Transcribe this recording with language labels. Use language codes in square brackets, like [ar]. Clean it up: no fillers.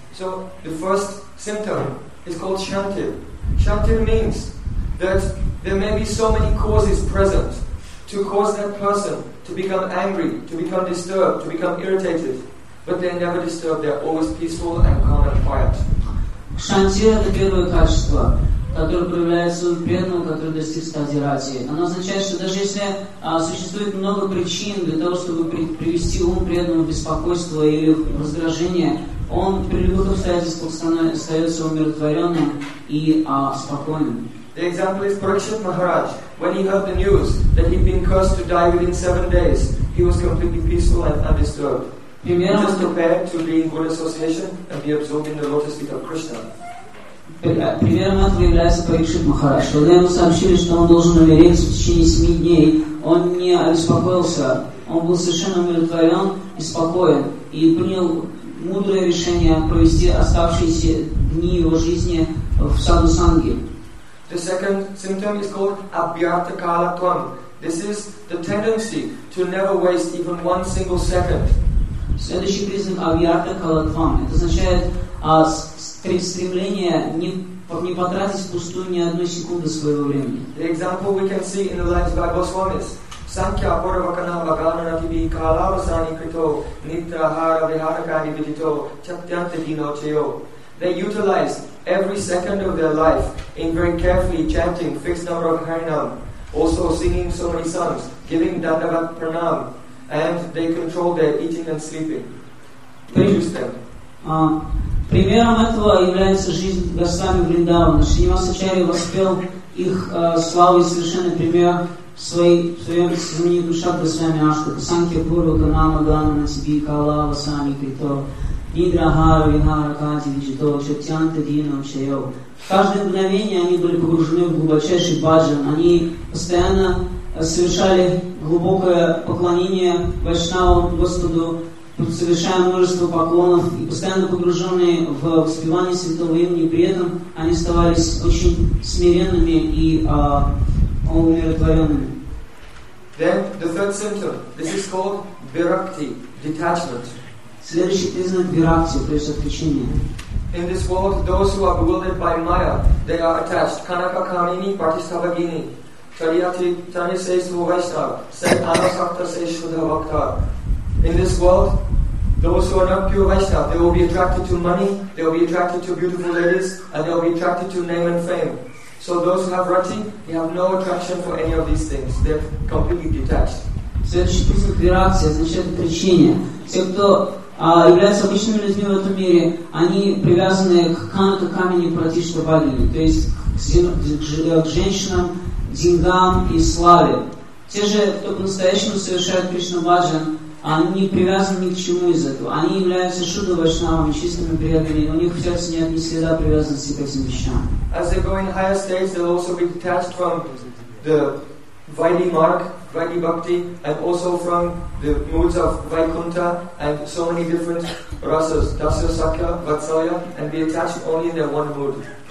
[en] So the first symptom is called shantir. Shantir means that there may be so many causes present to cause that person to become angry, to become disturbed, to become irritated, but they're never disturbed. They're always peaceful and calm and quiet. [ru] Шантир — это первое качество. которая проявляет свою преданность, которая достиг стадии рати. Она означает, что даже если существует много причин для того, чтобы привести ум преданному в беспокойство или в раздражение, он при любых обстоятельствах остается умиротворенным и спокойным. [en] The example is Parikshit Maharaj. When he heard the news that he'd been cursed to die within 7 days, he was completely peaceful and undisturbed. [ru] Примером, [en] just prepared to be in good association and be absorbed in the lotus feet of Krishna. [ru] Примером этого является Парикшит Махарадж. Когда ему сообщили, что он должен умереть в течение 7 дней, он не обеспокоился. Он был совершенно умиротворен и спокоен. И принял мудрое решение провести оставшиеся дни его жизни в саду Санги. [en] The second symptom is called Abhyata Kalatvam. This is the tendency to never waste even one single second. [ru] Следующий признак Абхьярта Калатвам. Это означает стремление не потратить впустую ни одной секунды своего времени. [en] The example we can see in the lines by Goswami. [sa] Sankhya Apurvakana Bhagavana Tibi Kalavasani Krito Nitra Hara Viharakani Vidito Chatyanta Dino Cheo. [en] They utilize every second of their life in very carefully chanting fixed number of Harinam, also singing so many songs, giving Dandavat Pranam, and they control their eating and sleeping. Interesting. [ru] Примером этого является жизнь Госвами Вриндавана. Шримасачари воспел их славу и совершенный пример в своем сознании душа Госвами Аштака. [sa] Санкхья Пурва Канама Ганана Сиби Калава Сами Крито Нидрахара Вихара Кати Виджито Чатьянта Дина Чайо. [ru] В каждое мгновение они были погружены в глубочайший баджан. Они постоянно совершали глубокое поклонение Вайшнаву Господу, совершая множество поклонов и постоянно погруженные в воспевание святого имени, при этом они оставались очень смиренными и умиротворенными. [en] Then the third symptom. This is called virakti, detachment. [ru] Следующий признак виракти, то есть отключение. [en] In this world, those who are bewildered by Maya, they are attached. [sa] Kanaka Kamini Pratishtabhagini. Chariyati Chani says to Vaishnava, said Anasakta says Shuddha Bhakta. [en] In this world, those who are not pure Vaishnava, they will be attracted to money, they will be attracted to beautiful ladies, and they will be attracted to name and fame. So those who have Rati, they have no attraction for any of these things. They're completely detached. [ru] Следующий признак реакции означает отречение. Те, кто являются обычными людьми в этом мире, они привязаны к канату камени практически вагине, то есть к женщинам, деньгам и славе. Те же, кто по-настоящему совершает Кришна-баджан, они не привязаны ни к чему из этого. Они являются шудо-вайшнавами, чистыми преданными, у них в сердце нет ни следа привязанности к этим вещам. [en] As they go in higher states, they'll also be detached from the Vaidhi Mark, Vaidhi Bhakti, and also from the moods of Vaikuntha and so many different rasas, Dasya, Sakya, Vatsalya, and be attached only in their one mood.